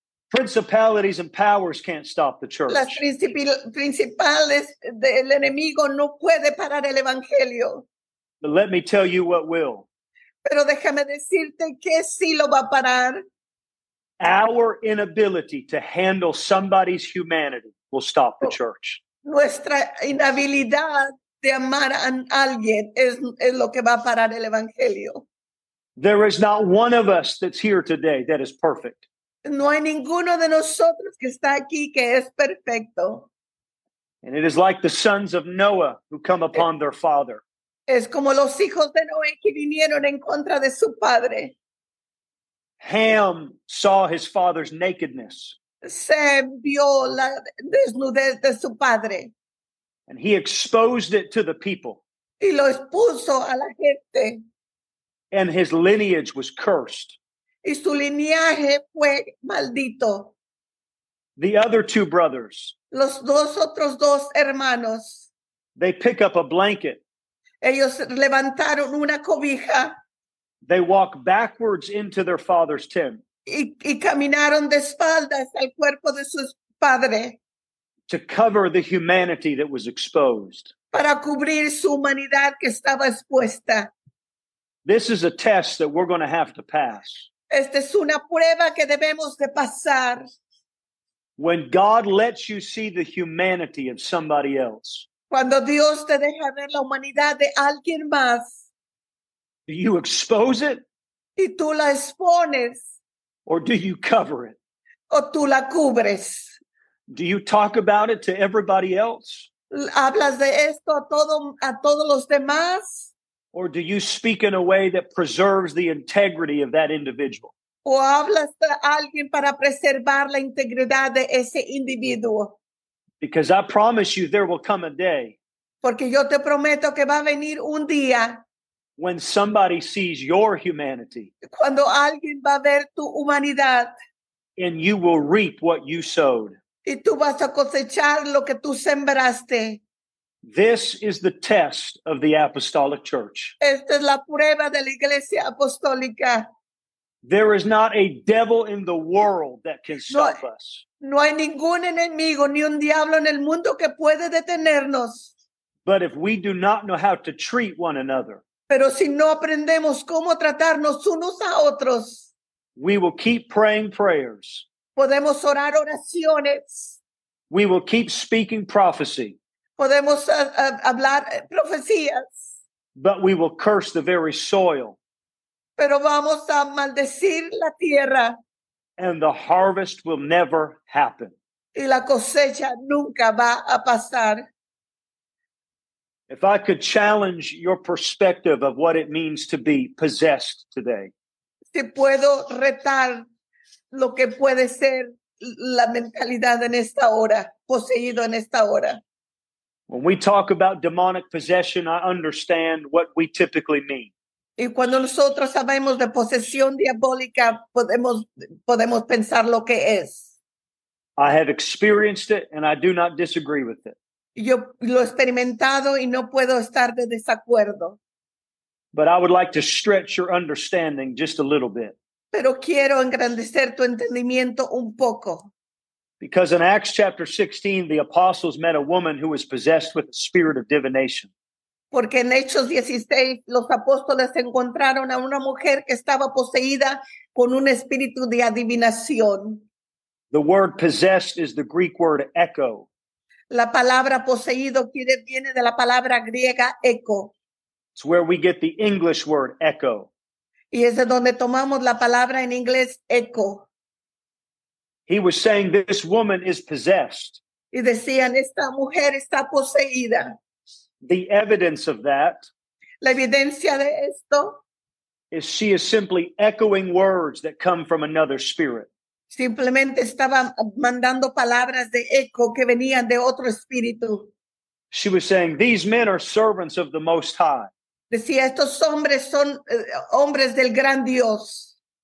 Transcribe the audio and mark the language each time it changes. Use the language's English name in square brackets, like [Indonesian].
[English] Principalities and powers can't stop the church. [Spanish] Las principales del enemigo no puede parar el evangelio. [English] But let me tell you what will. [Spanish] Pero déjame decirte que sí lo va a parar. [English] Our inability to handle somebody's humanity will stop the church. [Spanish] Nuestra inhabilidad de amar a alguien es lo que va a parar el evangelio. [English] There is not one of us that's here today that is perfect. [Spanish] No hay ninguno de nosotros que está aquí que es perfecto. [English] And it is like the sons of Noah who come upon their father. [Spanish] Es como los hijos de Noé que vinieron en contra de su padre. [English] Ham saw his father's nakedness. [Spanish] Sem vio la desnudez de su padre. [English] And he exposed it to the people. [Spanish] Y lo expuso a la gente. [English] And his lineage was cursed. [Spanish] Y su linaje fue maldito. [English] The other two brothers. [Spanish] Los dos otros dos hermanos. [English] They pick up a blanket. [Spanish] Ellos levantaron una cobija. [English] They walk backwards into their father's tent. [Spanish] Y caminaron de espaldas al cuerpo de su padre. [English] To cover the humanity that was exposed. [Spanish] Para cubrir su humanidad que estaba expuesta. [English] This is a test that we're going to have to pass. [Spanish] Esta es una prueba que debemos de pasar. [English] When God lets you see the humanity of somebody else. [Spanish] Cuando Dios te deja ver la humanidad de alguien más. [English] Do you expose it? [Spanish] Y tú la expones. [English] Or do you cover it? [Spanish] O tú la cubres. [English] Do you talk about it to everybody else? [Spanish] ¿Hablas de esto a todos los demás? [English] Or do you speak in a way that preserves the integrity of that individual? [Spanish] ¿O hablas de alguien para preservar la integridad de ese individuo? [English] Because I promise you there will come a day. [Spanish] Porque yo te prometo que va a venir un día. [English] When somebody sees your humanity. [Spanish] Cuando alguien va a ver tu humanidad. [English] And you will reap what you sowed. [Spanish] Y tú vas a cosechar lo que tú sembraste. [English] This is the test of the apostolic church. [Spanish] Esta es la prueba de la iglesia apostólica. [English] There is not a devil in the world that can stop us. [Spanish] No hay ningún enemigo ni un diablo en el mundo que puede detenernos. [English] But if we do not know how to treat one another. [Spanish] Pero si no aprendemos cómo tratarnos unos a otros. [English] We will keep praying prayers. [Spanish] Podemos orar oraciones. [English] We will keep speaking prophecy. [Spanish] Podemos hablar profecías. [English] But we will curse the very soil. [Spanish] Pero vamos a maldecir la tierra. [English] And the harvest will never happen. [Spanish] Y la cosecha nunca va a pasar. [English] If I could challenge your perspective of what it means to be possessed today. [Spanish] Si puedo retar lo que puede ser la mentalidad en esta hora, poseído en esta hora. [English] When we talk about demonic possession, I understand what we typically mean. [Spanish] Y cuando nosotros sabemos de posesión diabólica, podemos pensar lo que es. [English] I have experienced it and I do not disagree with it. [Spanish] Yo lo he experimentado y no puedo estar de desacuerdo. [English] But I would like to stretch your understanding just a little bit. [Spanish] Pero quiero engrandecer tu entendimiento un poco. [English] Because in Acts chapter 16, the apostles met a woman who was possessed with the spirit of divination. [Spanish] Porque en Hechos 16, los apóstoles encontraron a una mujer que estaba poseída con un espíritu de adivinación. [English] The word possessed is the Greek word echo. [Spanish] La palabra poseído viene de la palabra griega echo. [English] It's where we get the English word echo. [Spanish] Y es de donde tomamos la palabra en inglés echo. [English] He was saying this woman is possessed. [Spanish] Y decían, esta mujer está poseída. [English] The evidence of that. [Spanish] La evidencia de esto. [English] Is she is simply echoing words that come from another spirit. [Spanish] Simplemente estaba mandando palabras de eco que venían de otro espíritu. [English] She was saying, these men are servants of the Most High. [Spanish] Decía, estos hombres son hombres del gran Dios.